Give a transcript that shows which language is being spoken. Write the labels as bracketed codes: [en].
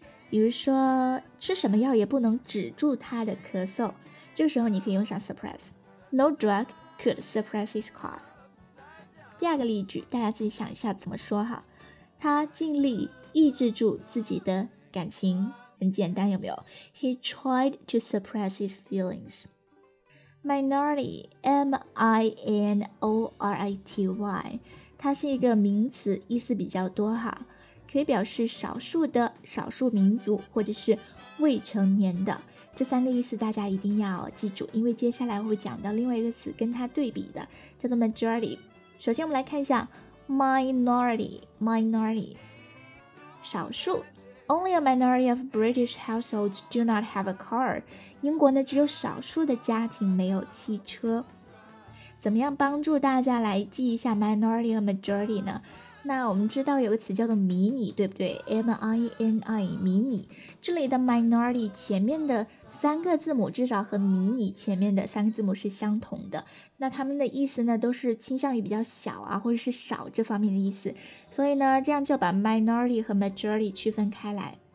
[zh] 比如说吃什么药也不能止住他的咳嗽，这个时候你可以用上 suppress， [en] No drug could suppress his cough。 [zh] 第二个例句大家自己想一下怎么说哈，他尽力抑制住自己的感情，很简单，有没有？ [en] He tried to suppress his feelings. [zh] Minority, M-I-N-O-R-I-T-Y， 它是一个名词，意思比较多哈，可以表示少数的、少数民族或者是未成年的，这三个意思大家一定要记住，因为接下来会讲到另外一个词跟它对比的，叫做 majority。首先我们来看一下 minority， 少数。 [en] Only a minority of British households do not have a car. [zh] 英国呢只有少数的家庭没有汽车。怎么样帮助大家来记一下 minority 和 majority 呢？那我们知道有个词叫做迷你，对不对？ M-I-N-I， 迷你。这里的 minority 前面的三个字母至少和迷你前面的三个字母是相同的，那他们的意思呢都是倾向于比较小啊或者是少这方面的意思，所以呢这样就把 minority 和 majority 区分开来。